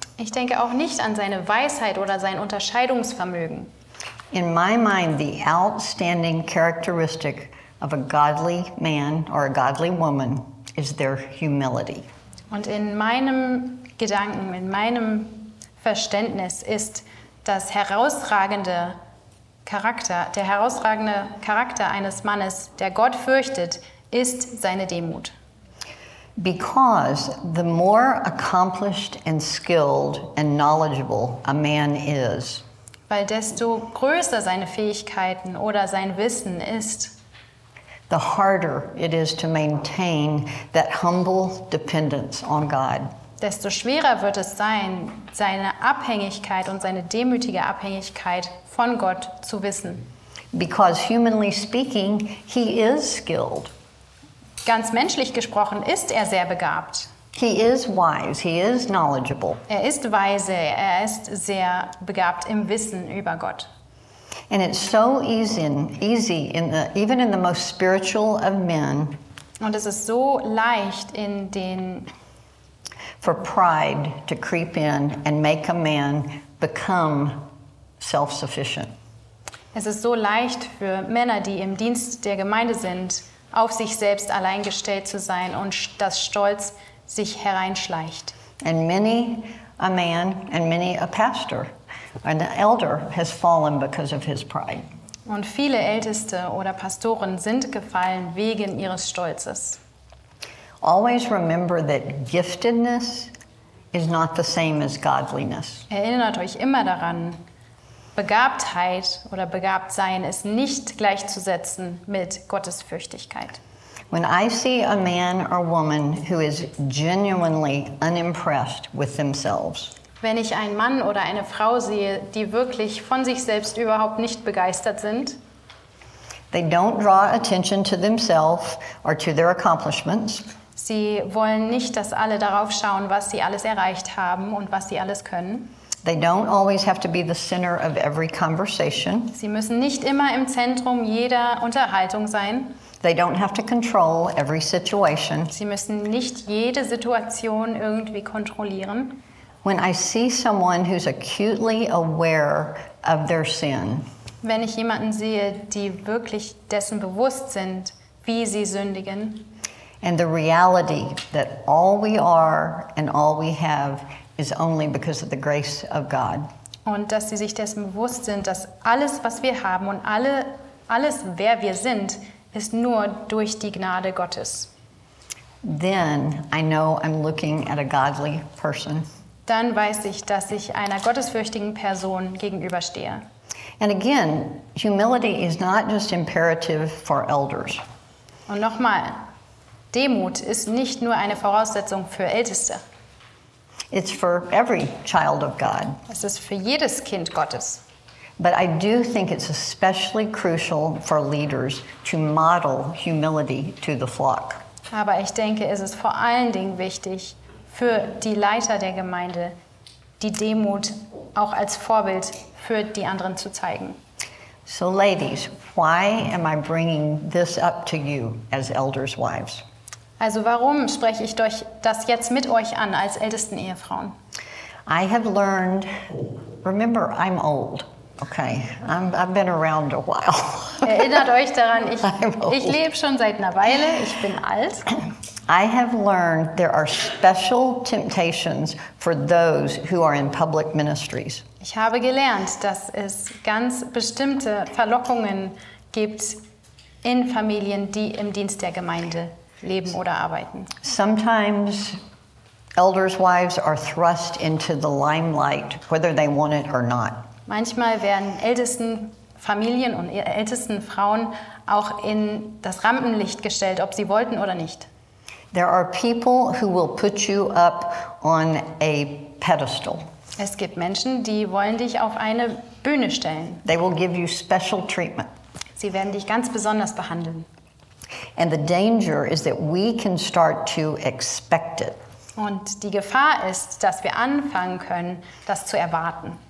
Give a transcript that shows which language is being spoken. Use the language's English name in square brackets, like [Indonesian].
[German] Ich denke auch nicht an seine Weisheit oder sein Unterscheidungsvermögen. [English] In my mind, the outstanding characteristic of a godly man or a godly woman is their humility. [German] Und in meinem Gedanken, in meinem Verständnis ist das herausragende Charakter, der herausragende Charakter eines Mannes, der Gott fürchtet, ist seine Demut. [English] Because the more accomplished and skilled and knowledgeable a man is, [German] weil desto größer seine Fähigkeiten oder sein Wissen ist, [English] the harder it is to maintain that humble dependence on God. [German] Desto schwerer wird es sein, seine Abhängigkeit und seine demütige Abhängigkeit von Gott zu wissen. [English] Because humanly speaking, he is skilled. [German] Ganz menschlich gesprochen ist er sehr begabt. [English] He is wise, he is knowledgeable. [German] Er ist weise, er ist sehr begabt im Wissen über Gott. [English] And it's so easy in the, even in the most spiritual of men. [German] Und es ist so leicht in den [English] for pride to creep in and make a man become self-sufficient. [German] Es ist so leicht für Männer, die im Dienst der Gemeinde sind, auf sich selbst allein gestellt zu sein und das Stolz sich hereinschleicht. [English] And many a man and many a pastor an elder has fallen because of his pride. [German] Und viele Älteste oder Pastoren sind gefallen wegen ihres Stolzes. [English] Always remember that giftedness is not the same as godliness. [German] Erinnert euch immer daran, Begabtheit oder Begabtsein ist nicht gleichzusetzen mit Gottesfürchtigkeit. [English] When I see a man or woman who is genuinely unimpressed with themselves, [German] wenn ich einen Mann oder eine Frau sehe, die wirklich von sich selbst überhaupt nicht begeistert sind, [English] they don't draw attention to themselves or to their accomplishments. [German] Sie wollen nicht, dass alle darauf schauen, was sie alles erreicht haben und was sie alles können. [English] They don't always have to be the center of every conversation. [German] Sie müssen nicht immer im Zentrum jeder Unterhaltung sein. [English] They don't have to control every situation. [German] Sie müssen nicht jede Situation irgendwie kontrollieren. [English] When I see someone who's acutely aware of their sin, [German] wenn ich jemanden sehe, die wirklich dessen bewusst sind, wie sie sündigen, [English] and the reality that all we are and all we have is only because of the grace of God, [German] und dass sie sich dessen bewusst sind, dass alles, was wir haben und alles, wer wir sind, ist nur durch die Gnade Gottes, [English] then I know I'm looking at a godly person. [German] Dann weiß ich, dass ich einer gottesfürchtigen Person gegenüberstehe. [English] And again, humility is not just imperative for elders. [German] Und nochmal, Demut ist nicht nur eine Voraussetzung für Älteste. [English] It's for every child of God. [German] Es ist für jedes Kind Gottes. [English] But I do think it's especially crucial for leaders to model humility to the flock. [German] Aber ich denke, es ist vor allen Dingen wichtig, für die Leiter der Gemeinde die Demut auch als Vorbild für die anderen zu zeigen. [English] So ladies, why am I bringing this up to you as elders' wives? [German] Also warum spreche ich euch das jetzt mit euch an als ältesten Ehefrauen? [English] I have learned, remember I'm old. Okay, I've been around a while. [German] Erinnert euch daran, ich lebe schon seit einer Weile, ich bin alt. [English] I have learned there are special temptations for those who are in public ministries. [German] Ich habe gelernt, dass es ganz bestimmte Verlockungen gibt in Familien, die im Dienst der Gemeinde leben oder arbeiten. [English] Sometimes elders' wives are thrust into the limelight, whether they want it or not. [German] Manchmal werden ältesten Familien und ältesten Frauen auch in das Rampenlicht gestellt, ob sie wollten oder nicht. [English] There are people who will put you up on a pedestal. [German] Es gibt Menschen, die wollen dich auf eine Bühne stellen. [English] They will give you special treatment. [German] Sie werden dich ganz besonders behandeln. [English] And the danger is that we can start to expect it. [German] Und die Gefahr ist, dass wir anfangen können, das zu erwarten.